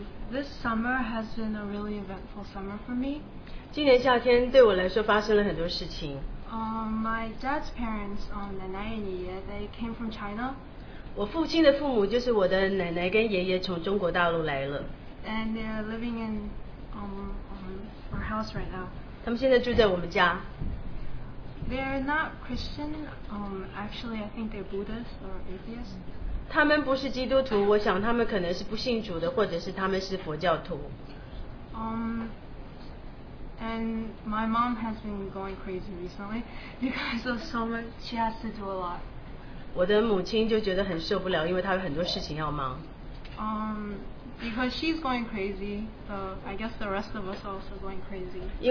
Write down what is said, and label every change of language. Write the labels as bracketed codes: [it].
[en] This summer has been a really eventful summer for me. [zh] 今年夏天对我来说发生了很多事情。 [en] My dad's parents, [zh] 奶奶爷爷, [en] they came from China. [zh] 我父亲的父母就是我的奶奶跟爷爷从中国大陆来了。 [en] And they're living in our house right now. [zh] 他们现在住在我们家。 [en] They're not Christian. Actually, I think they're Buddhist or atheist. [zh] 他们不是基督徒，我想他们可能是不信主的，或者是他们是佛教徒。 [en] And my mom has been going crazy recently because of so much. She has to do a lot. [zh] 我的母亲就觉得很受不了，因为她有很多事情要忙。 [en] Because she's going crazy, so I guess the rest of us are also going crazy.